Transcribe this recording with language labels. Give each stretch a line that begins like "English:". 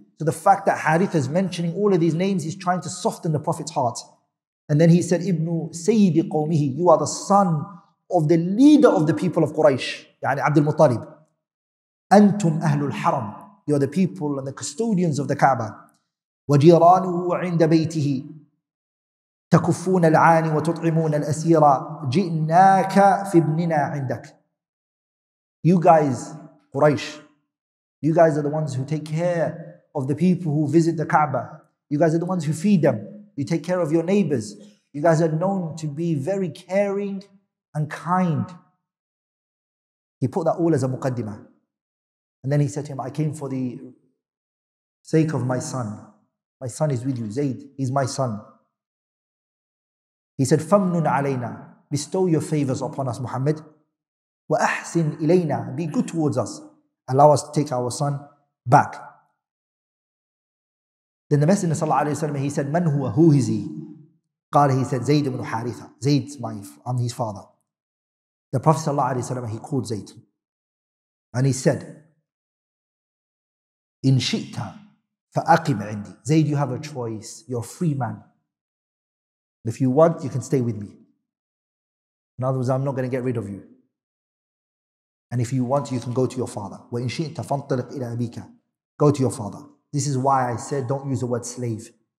English: So the fact that Haritha is mentioning all of these names, he's trying to soften the Prophet's heart. And then he said,
Arabic: إِبْنُ سَيِّدِ قَوْمِهِ,
English: you are the son of the leader of the people of Quraysh,
Arabic: يعني عبد المطالب. أنتم أهل الحرم.
English: You are the people and the custodians of the Kaaba.
Arabic: وجيرانه عند بيته. تكفون العاني وتطعمون الأسيرة. جئناك في ابننا عندك.
English: You guys, Quraysh, you guys are the ones who take care of the people who visit the Kaaba. You guys are the ones who feed them. You take care of your neighbors. You guys are known to be very caring and kind. He put that all as a muqaddimah. And then he said to him, I came for the sake of my son. My son is with you, Zayd. He's my son. He said,
Arabic: فَمْنُنْ عَلَيْنَا.
English: Bestow your favors upon us, Muhammad.
Arabic: وَأَحْسِنْ إِلَيْنَا.
English: Be good towards us. Allow us to take our son back. Then the Messenger صلى الله عليه وسلم, he said,
Arabic: مَنْ هُوَ.
English: Who is he?
Arabic: قال,
English: he said,
Arabic: زَيْدٌ بْنُ حَارِثَةَ.
English: Zayd's my, I'm his father. The Prophet صلى الله عليه وسلم, he called Zayd. And he said,
Arabic: إِنْ شِئْتَ فَأَقِمْ عِنْدِي.
English: Zayd, you have a choice. You're a free man. If you want, you can stay with me. In other words, I'm not going to get rid of you. And if you want, you can go to your father.
Arabic: وَإِنْ شِئْتَ فَانْطَلِقْ إِلَىٰ أَبِيكَ.
English: Go to your father. This is why I said, don't use the word slave.